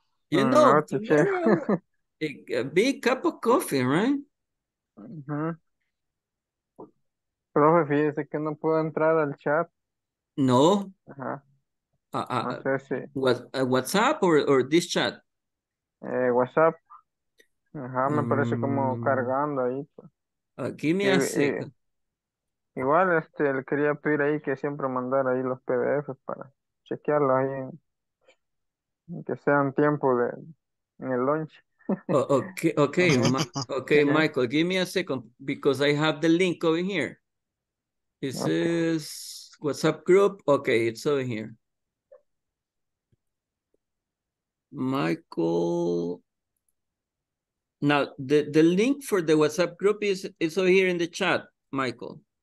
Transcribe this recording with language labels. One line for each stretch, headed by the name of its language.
English: You know, a big cup of coffee, right? Mm-hmm.
Spanish: Profe, fíjese que no puedo entrar al chat. No. Ajá. No sé si. WhatsApp
English: or this chat?
Spanish: WhatsApp. Ajá, me parece como cargando ahí.
English: Give me a second.
Spanish: Igual, le quería pedir ahí que siempre mandara ahí los PDFs para chequearlo ahí. Que sean tiempo de en el lunch.
English: Okay, Michael, give me a second because I have the link over here. This is WhatsApp group. Okay, it's over here. Michael. Now, the link for the WhatsApp group is over here in the chat, Michael.